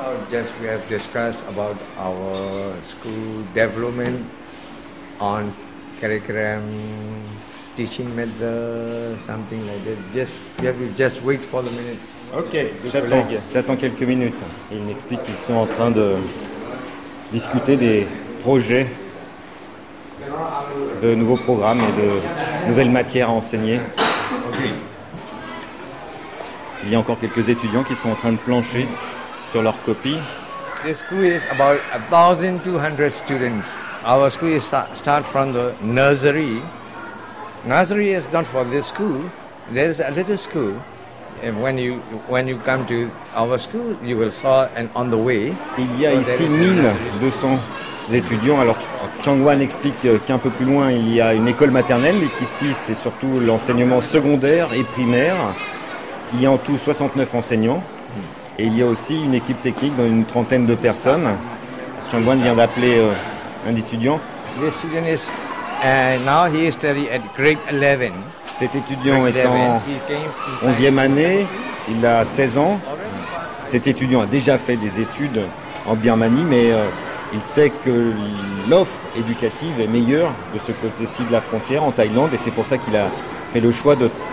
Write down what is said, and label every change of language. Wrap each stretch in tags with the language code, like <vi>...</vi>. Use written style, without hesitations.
<en>Just we have discussed about our school development on curriculum, teaching method, something like that. Just wait for the minutes.</en> <fr>Ok, j'attends quelques minutes. Ils m'expliquent qu'ils sont en train de discuter des projets, de nouveaux programmes et de nouvelles matières à enseigner. Okay. Il y a encore quelques étudiants qui sont en train de plancher sur leurs copies.</fr> <en>The school is about 1,200 students. Our school is start from the nursery. Nursery is not for this school. There is a little school. And when you come to our school, you will saw and on the way.</en> <fr>Il y a ici 1,200 étudiants. Alors Changwan explique qu'un peu plus loin, il y a une école maternelle et qu'ici, c'est surtout l'enseignement secondaire et primaire. Il y a en tout 69 enseignants et il y a aussi une équipe technique dans une trentaine de personnes. Changwan vient d'appeler un étudiant.</fr> <en>This student is now he is studying at grade 11.</en> <fr>Cet étudiant est en 11e année, il a 16 ans. Cet étudiant a déjà fait des études en Birmanie, mais il sait que l'offre éducative est meilleure de ce côté-ci de la frontière en Thaïlande et c'est pour ça qu'il a fait le choix de</fr>